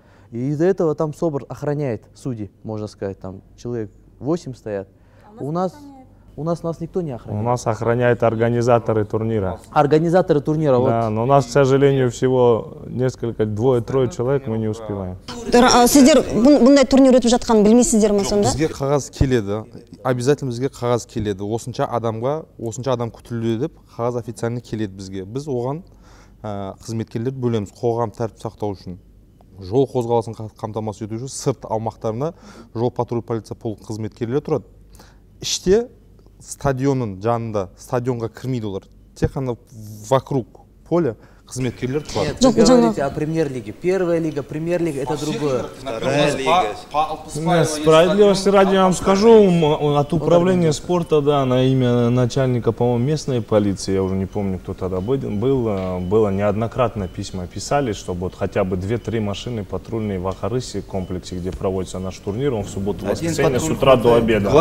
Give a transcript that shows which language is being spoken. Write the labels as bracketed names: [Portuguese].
[Russian] И из-за этого там СОБР охраняет судей, можно сказать. Там человек 8 стоят. У нас... У нас нас никто не охраняет. У нас охраняют организаторы турнира. Организаторы турнира. Да, вот. Но у нас, к сожалению, всего несколько, двое-трое человек, мы не успеваем. [Kazakh] Сіздер бұндай турнир өтіп жатқанын білмейсіздер ме сонда? Бізге қағаз келеді. Обязательно бізге қағаз келеді. Осынша адамға, осынша адам күтілуде деп қағаз официально келеді бізге. Біз оған қызметкерлерді бөлеміз қоғам тәртіп сақтау үшін. Жол қозғалысын қамтамасыз ету үшін сырт аумақтарында жол патруль полиция полк қызметкерлері тұрады. Іште стадионның жанында, стадионға кірмейді олар. Тек қана [Russian] вокруг поля [Kazakh] қызметкерлер тұрады. [Russian] Нет, вы говорите о премьер-лиге. Первая лига, премьер-лига, это другое. Вторая лига. Нет, справедливости ради я вам скажу, от управления спорта, да, на имя начальника, по-моему, местной полиции, я уже не помню, кто тогда был, было неоднократно письма писали, чтобы вот хотя бы 2-3 машины патрульные в Ахарысе комплексе, где проводится наш турнир, он в субботу, воскресенье, с утра до обеда.